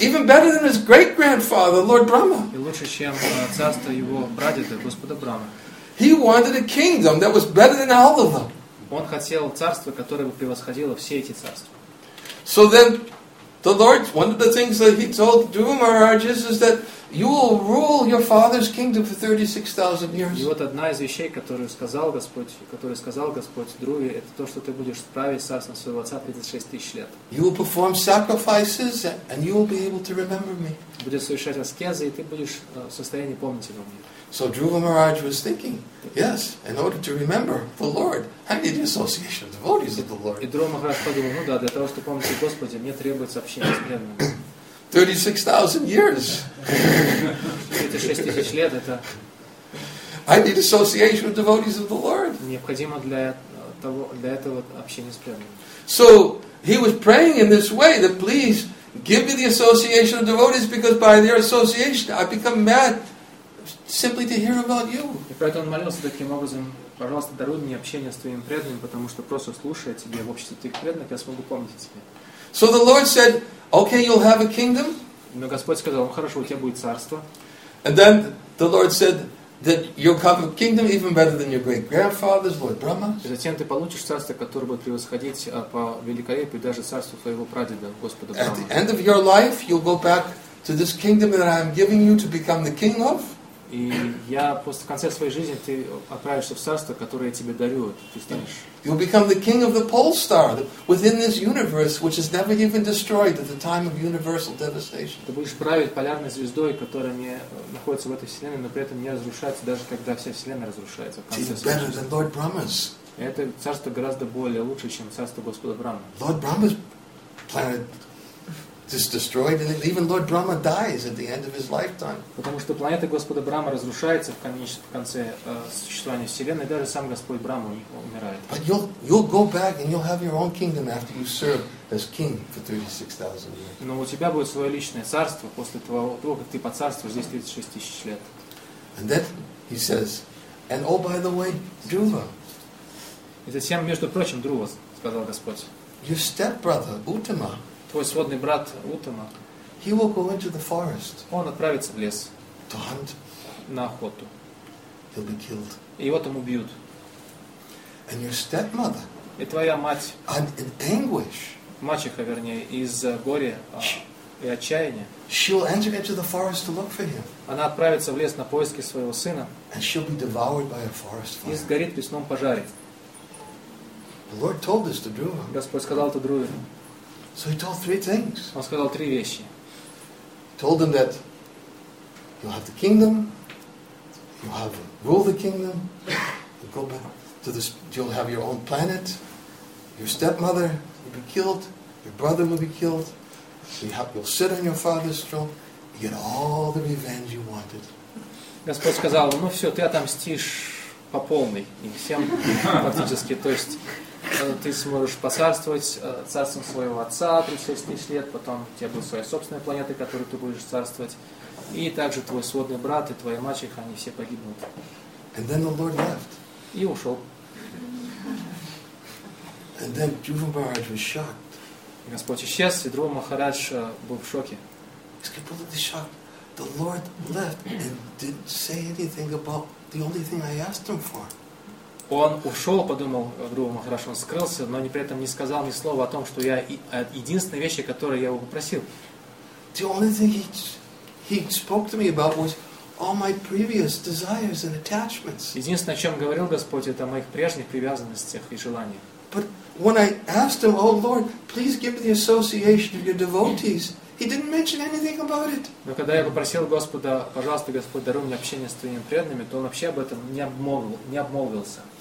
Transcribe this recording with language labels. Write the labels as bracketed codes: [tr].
[en] Even better than his great grandfather, Lord Brahma. [ru] И лучше, чем царство его прадеда, Господа Брама. [en] He wanted a kingdom that was better than all of them. [ru] Он хотел царство, которое бы превосходило все эти царства. [en] So then, the Lord, one of the things that He told Dhruva Maharaj is that you will rule your father's kingdom for 36,000 years. [ru] И вот одна из вещей, которую сказал Господь Друве, это то, что ты будешь править царством своего отца 36,000 лет. [en] You will perform sacrifices, and you will be able to remember me. [ru] Будешь совершать аскезы, и ты будешь в состоянии помнить обо мне. [en] So Dhruva Maharaj was thinking, yes, in order to remember the Lord, I need the association of devotees of the Lord. [ru] И Друва Махарадж подумал, ну да, для того, чтобы помнить Господа, мне требуется общение с преданными. [en] 36,000 years. [ru] 36,000 лет это. [en] I need association of devotees of the Lord. [ru] Необходимо для этого общение с преданными. [en] So he was praying in this way that please give me the association of devotees because by their association I become mad. Simply to hear about you. [ru] И поэтому он молился таким образом: пожалуйста, даруй мне общение с твоими преданными, потому что просто слушая тебя в обществе твоих преданных, я смогу помнить о тебе. [en] So the Lord said, okay, you'll have a kingdom. [ru] Но Господь сказал: хорошо, у тебя будет царство. [en] And then the Lord said that you'll have a kingdom even better than your great grandfather's, Lord Brahma. [ru] И затем ты получишь царство, которое будет превосходить по великолепию даже царство твоего прадеда Господа Брама. [en] At the end of your life, you'll go back to this kingdom that I am giving you to become the king of. [ru] И я после конца своей жизни ты отправишься в царство, которое я тебе дарю, ты станешь. [en] You'll become the king of the pole star within this universe, which is never even destroyed at the time of universal devastation. [ru] Ты будешь править полярной звездой, которая не находится в этой вселенной, но при этом не разрушается, даже когда вся вселенная разрушается. [en] It's better than Lord Brahma's. [ru] Это царство гораздо более лучше, чем царство Господа Брама. [en] Lord Brahma's planet. Is destroyed, and even Lord Brahma dies at the end of his lifetime. [ru] Потому что планета Господа Брама разрушается в конце существования вселенной, даже сам Господь Брама умирает. [en] But you'll go back and you'll have your own kingdom after you serve as king for 36,000 years. [ru] Но у тебя будет свое личное царство после того, как ты поцарствуешь здесь 36,000 лет. [en] And then he says, and oh by the way, Dhruva. [ru] И затем, между прочим, Друва, сказал Господь. [en] Your stepbrother Uttama. [ru] Твой сводный брат Утама. [en] He will go into the forest. [ru] Он отправится в лес. [en] To hunt. [ru] На охоту. [en] He'll be killed. [ru] И его там убьют. [en] And your stepmother. [ru] И твоя мать. [en] And in anguish. [ru] Мачеха, вернее, из горя и отчаяния. [en] She'll enter into the forest to look for him. [ru] Она отправится в лес на поиски своего сына. [en] And she'll be devoured by a forest fire. [ru] И сгорит в лесном пожаре. [en] The Lord told this to Dhruva. [ru] Господь сказал это Друве. [en] So he told three things. [ru] Он сказал три вещи. [en] Told them that you'll have the kingdom, you'll have rule the kingdom, you'll go back to this, you'll have your own planet, your stepmother will be killed, your brother will be killed, you'll sit on your father's throne, you get all the revenge you wanted. [ru] Господь сказал, ну все, ты отомстишь по полной и всем фактически, то есть. Ты сможешь поцарствовать царством своего отца 36,000 лет, потом у тебя будет своя собственная планета, которой ты будешь царствовать, и также твой сводный брат и твоя мачеха, они все погибнут. [en] And then the Lord left. [ru] И ушел. [en] And then Dhruva Maharaj was shocked. [ru] Господь исчез, и Друва Махарадж был в шоке. [en] He's completely shocked. The Lord left and didn't say anything about the only thing I asked him for. [ru] Он ушел, подумал, Друга Махарадж, он скрылся, но при этом не сказал ни слова о том, что я единственная вещь, которую я его попросил. [en] The only thing he spoke to me about was all my previous desires and attachments. [ru] Единственное, о чем говорил Господь, это о моих прежних привязанностях и желаниях. [en] But when I asked him, "Oh Lord, please give me the association of your devotees," he didn't mention anything about it. [ru] Но когда я попросил Господа, пожалуйста, Господь, даруй мне общение с твоими преданными, то он вообще об этом не обмолвился.